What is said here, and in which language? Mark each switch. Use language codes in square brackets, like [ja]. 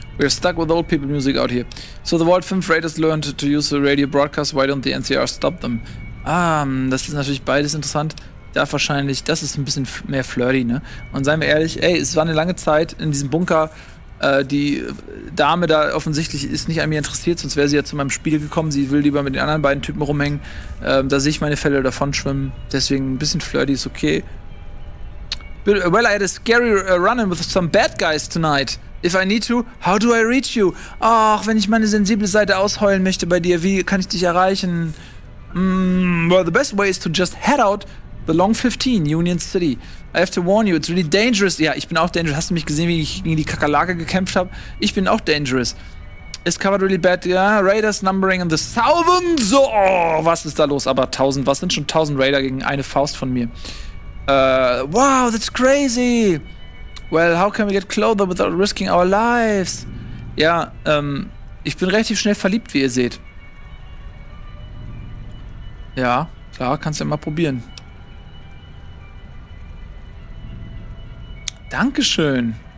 [en] We're stuck with old people music out here. So the World Film Raiders learned to use the radio broadcast, why don't the NCR stop them? [de] Das ist natürlich beides interessant. Da wahrscheinlich, das ist ein bisschen mehr flirty, ne? Und seien wir ehrlich, ey, es war eine lange Zeit in diesem Bunker. Die Dame da offensichtlich ist nicht an mir interessiert, sonst wäre sie ja zu meinem Spiegel gekommen. Sie will lieber mit den anderen beiden Typen rumhängen. Da sehe ich meine Fälle davon schwimmen. Deswegen ein bisschen flirty ist okay. [en] Well, I had a scary run-in with some bad guys tonight. If I need to, how do I reach you? [de] Ach, wenn ich meine sensible Seite ausheulen möchte bei dir, wie kann ich dich erreichen? [en] Well, the best way is to just head out the Long 15, Union City. I have to warn you, it's really dangerous. [de] Ja, ich bin auch dangerous. Hast du mich gesehen, wie ich gegen die Kakerlake gekämpft habe? Ich bin auch dangerous. [en] It's covered really bad. [de] Ja, [en] Raiders numbering in the thousands. [de] Oh, was ist da los? Aber 1000, was sind schon 1000 Raider gegen eine Faust von mir? [en] Wow, that's crazy. Well, how can we get closer without risking our lives? [de] Ja, ich bin relativ schnell verliebt, wie ihr seht. Ja, klar, kannst du ja mal probieren. Dankeschön.